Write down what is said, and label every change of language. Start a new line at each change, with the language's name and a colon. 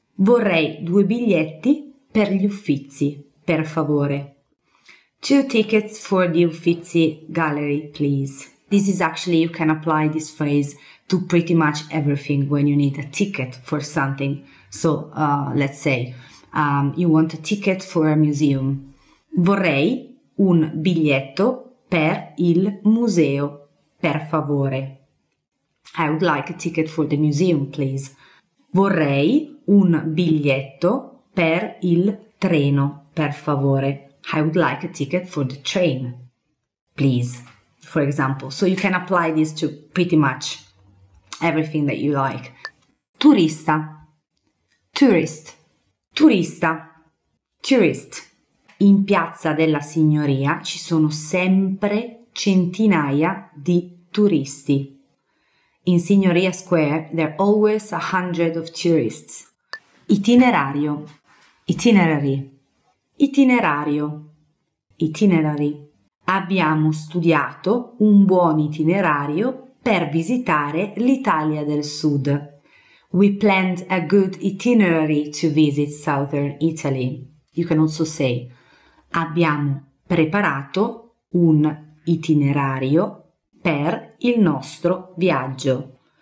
Italian: Vorrei due biglietti per gli Uffizi, per favore.
English: Two tickets for the Uffizi gallery, please. This is actually, you can apply this phrase to pretty much everything when you need a ticket for something. So, let's say, you want a ticket for a museum.
Italian: Vorrei un biglietto per il museo, per favore.
English: I would like a ticket for the museum, please.
Italian: Vorrei un biglietto per il treno, per favore.
English: I would like a ticket for the train, please, for example. So you can apply this to pretty much everything that you like. Turista. Tourist. Turista. Tourist.
Italian: In Piazza della Signoria ci sono sempre centinaia di turisti.
English: In Signoria Square, there are always 100 of tourists. Itinerario. Itinerary. Itinerario. Itinerary.
Italian: Abbiamo studiato un buon itinerario per visitare l'Italia del Sud.
English: We planned a good itinerary to visit Southern Italy. You can also say,
Italian: abbiamo preparato un itinerario per il nostro viaggio.